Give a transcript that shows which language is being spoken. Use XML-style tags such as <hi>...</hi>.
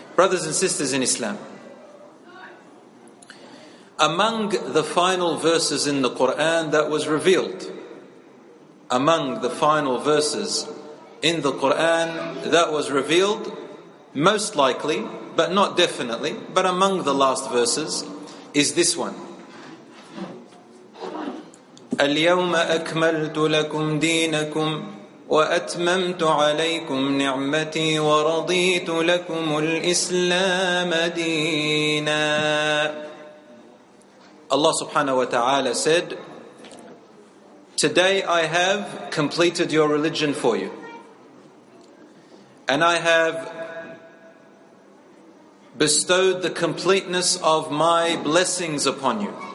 <en>Brothers and sisters in Islam, Among the final verses in the Quran that was revealed, most likely, but not definitely, but among the last verses, is this one.</en> <ar>اليوم أكملت لكم دينكم وأتممت عليكم نعمتي ورضيت لكم الإسلام دينا.</ar> <en>Allah subhanahu wa ta'ala said, today I have completed your religion for you, and I have bestowed the completeness of my blessings upon you.</en>